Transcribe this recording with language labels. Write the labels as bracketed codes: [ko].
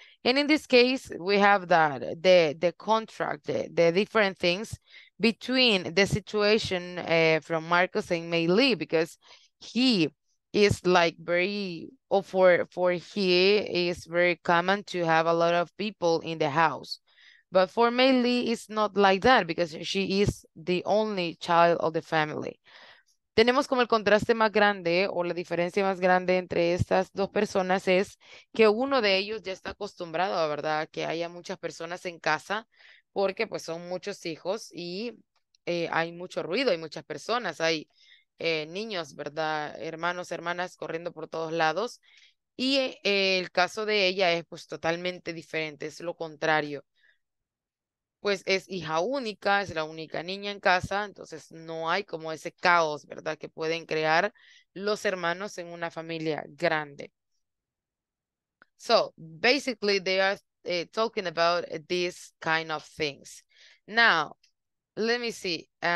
[en] And in this case, we have that the contract, the different things between the situation from Marcos and May Lee, because he is like very, or for he is very common to have a lot of people in the house. But for May Lee, it's not like that because she is the only child of the family. [es] Tenemos como el contraste más grande o la diferencia más grande entre estas dos personas es que uno de ellos ya está acostumbrado, ¿verdad?, que haya muchas personas en casa, porque pues son muchos hijos y hay mucho ruido, hay muchas personas, hay niños, ¿verdad?, hermanos, hermanas corriendo por todos lados. Y el caso de ella es pues totalmente diferente, es lo contrario. Pues es hija única, es la única niña en casa, entonces no hay como ese caos, ¿verdad?, que pueden crear los hermanos en una familia grande. [en] So, basically, they are talking about these kind of things. Now, let me see.